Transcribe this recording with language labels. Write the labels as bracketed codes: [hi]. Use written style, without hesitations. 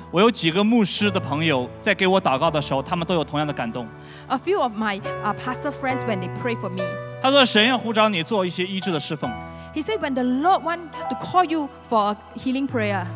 [zh] 我有几个牧师的朋友在给我祷告的时候，他们都有同样的感动。 [en] A few of my pastor friends when they pray for me. [zh] 他说神要呼召你做一些医治的侍奉。 [en] He said when the Lord want to call you for a healing prayer.